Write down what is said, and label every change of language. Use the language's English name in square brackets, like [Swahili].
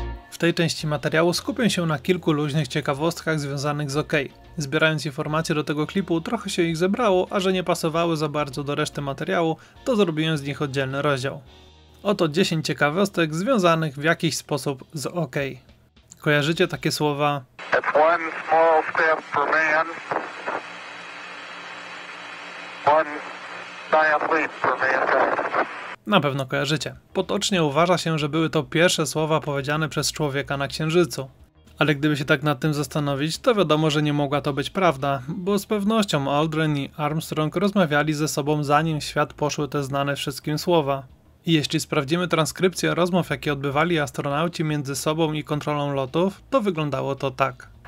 [Polish] W tej części materiału skupię się na kilku luźnych ciekawostkach związanych z OK. Zbierając informacje do tego klipu, trochę się ich zebrało, a że nie pasowały za bardzo do reszty materiału, to zrobiłem z nich oddzielny rozdział. Oto 10 ciekawostek związanych w jakiś sposób z OK. Kojarzycie takie słowa? [English] It's one small step for man, one giant leap for mankind. [Polish] Na pewno kojarzycie. Potocznie uważa się, że były to pierwsze słowa powiedziane przez człowieka na Księżycu. Ale gdyby się tak nad tym zastanowić, to wiadomo, że nie mogła to być prawda, bo z pewnością Aldrin i Armstrong rozmawiali ze sobą, zanim w świat poszły te znane wszystkim słowa. I jeśli sprawdzimy transkrypcję rozmów, jakie odbywali astronauci między sobą i kontrolą lotów, to wyglądało to tak.